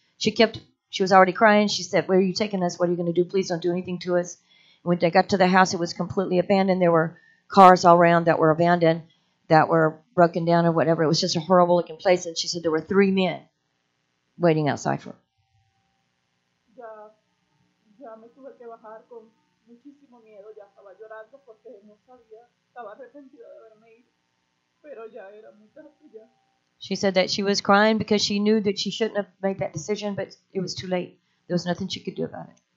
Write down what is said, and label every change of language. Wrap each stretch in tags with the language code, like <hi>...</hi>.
<en>She was already crying. She said, "Where are you taking us? What are you going to do? Please don't do anything to us." And when they got to the house, it was completely abandoned. There were cars all around that were abandoned, that were broken down or whatever. It was just a horrible looking place. And she said there were three men waiting outside for her.</en> <es>Ya me tuve que bajar con muchísimo miedo. Ya estaba llorando porque no sabía, estaba arrepentida de haberme ido. Pero ya era muy tarde ya.</es> <en>She said that she was crying because she knew that she shouldn't have made that decision, but it was too late. There was nothing she could do about it.</en>